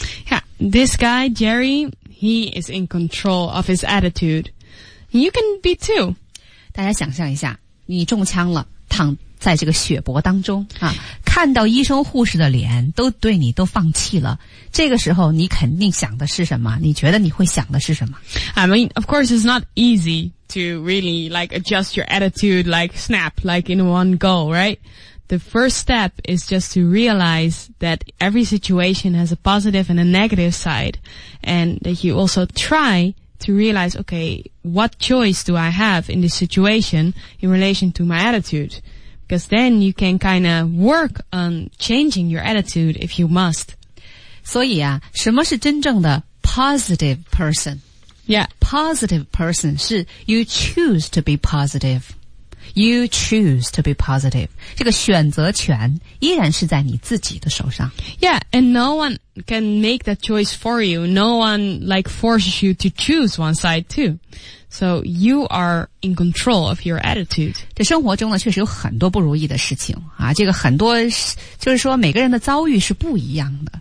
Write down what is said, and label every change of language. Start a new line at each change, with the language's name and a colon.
English: Yeah, this guy, Jerry, he is in control of his attitude. You can be too.
Chinese: 大家想象一下，你中枪了，躺在这个血泊当中啊，看到医生护士的脸都对你都放弃了，这个时候你肯定想的是什么？你觉得你会想的是什么？
English: I mean, of course it's not easy to really like adjust your attitude like snap, like in one go, right? The first step is just to realize that every situation has a positive and a negative side, and that you also try to realize, okay, what choice do I have in this situation in relation to my attitude? Because then you can kind of work on changing your attitude if you must.
Chinese: 所以啊，什么是真正的
English: positive person? Yeah. Positive person
Chinese: 是
English: you choose to be positive. You choose to be positive.
Chinese: 这个选择权依然是在你自己的手上。
English: Yeah, and no one can make that choice for you. No one like forces you to choose one side too. So you are in control of your attitude.
Chinese: 这生活中呢确实有很多不如意的事情啊，这个很多就是说每个人的遭遇是不一样的。